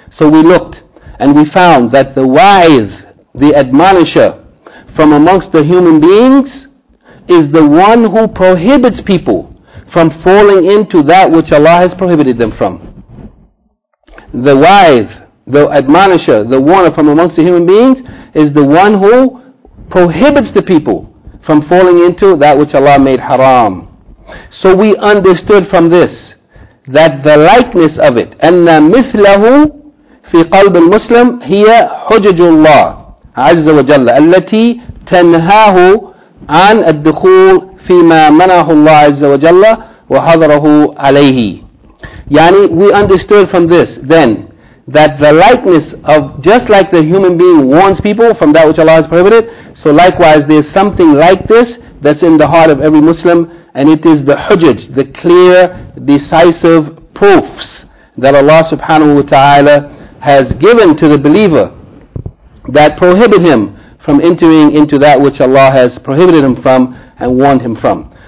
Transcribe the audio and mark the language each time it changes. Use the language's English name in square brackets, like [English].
[English] So we looked and we found that the wa'id, the admonisher from amongst the human beings is the one who prohibits people from falling into that which Allah has prohibited them from. The wa'id, the admonisher, the warner from amongst the human beings is the one who prohibits the people from falling into that which Allah made haram. So we understood from this that the likeness of it, [Arabic] أَنَّ مِثْلَهُ فِي قَلْبِ الْمُسْلِمِ هِيَ حُجَجُ اللَّهِ عَزَّ وَجَلَّ أَلَّتِي تَنْهَاهُ عَنْ الدُّخُولِ فِيمَا مَنَعَهُ اللَّهِ عَزَّ وَجَلَّ وَحَضَرَهُ عَلَيْهِ. [English] Yani, we understood from this then that the likeness of, just like the human being warns people from that which Allah has prohibited, so likewise there's something like this that's in the heart of every Muslim, and it is the hujjaj, the clear, decisive proofs that Allah subhanahu wa ta'ala has given to the believer that prohibit him from entering into that which Allah has prohibited him from and warned him from.